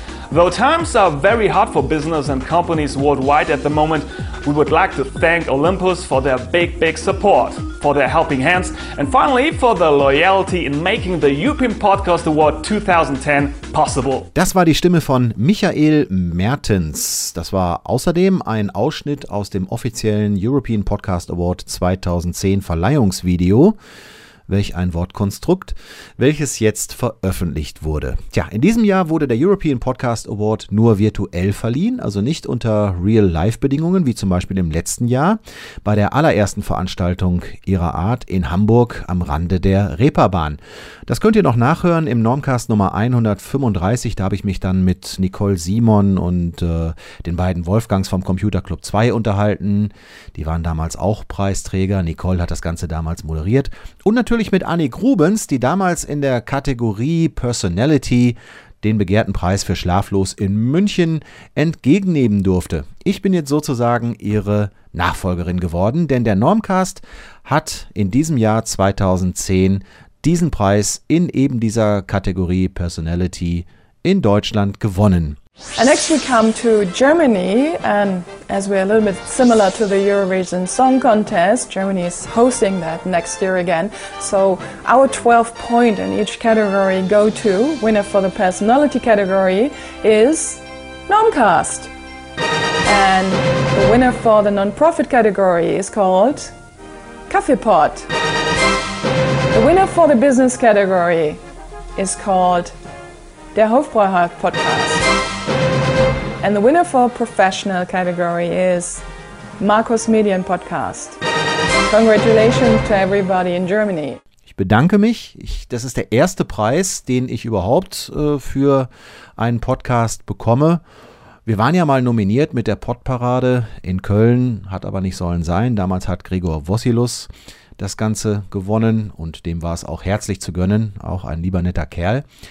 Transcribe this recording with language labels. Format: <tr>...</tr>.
<en>Though times are very hard for business and companies worldwide at the moment, we would like to thank Olympus for their big, big support, for their helping hands, and finally for their loyalty in making the European Podcast Award 2010 possible.</en> <de>Das war die Stimme von Michael Mertens. Das war außerdem ein Ausschnitt aus dem offiziellen European Podcast Award 2010 Verleihungsvideo. welch ein Wortkonstrukt, welches jetzt veröffentlicht wurde. Tja, in diesem Jahr wurde der European Podcast Award nur virtuell verliehen, also nicht unter Real-Life-Bedingungen, wie zum Beispiel im letzten Jahr bei der allerersten Veranstaltung ihrer Art in Hamburg am Rande der Reeperbahn. Das könnt ihr noch nachhören im Normcast Nummer 135. Da habe ich mich dann mit Nicole Simon und den beiden Wolfgangs vom Computer Club 2 unterhalten. Die waren damals auch Preisträger. Nicole hat das Ganze damals moderiert. Und natürlich mit Annik Rubens, die damals in der Kategorie Personality den begehrten Preis für Schlaflos in München entgegennehmen durfte. Ich bin jetzt sozusagen ihre Nachfolgerin geworden, denn der Normcast hat in diesem Jahr 2010 diesen Preis in eben dieser Kategorie Personality in Deutschland gewonnen.</de> <en>I actually come to Germany, and as we're a little bit similar to the Eurovision Song Contest, Germany is hosting that next year again. So our 12 point in each category go to winner for the personality category is Normcast. And the winner for the non-profit category is called Kaffeepot. The winner for the business category is called Der Hofbräuhaus Podcast. And the winner for professional category is Markus Medien Podcast. Congratulations to everybody in Germany.</en> <de>Ich bedanke mich. Das ist der erste Preis, den ich überhaupt für einen Podcast bekomme. Wir waren ja mal nominiert mit der Podparade in Köln, hat aber nicht sollen sein. Damals hat Gregor Vossilus das Ganze gewonnen und dem war es auch herzlich zu gönnen, auch ein lieber netter Kerl.</de>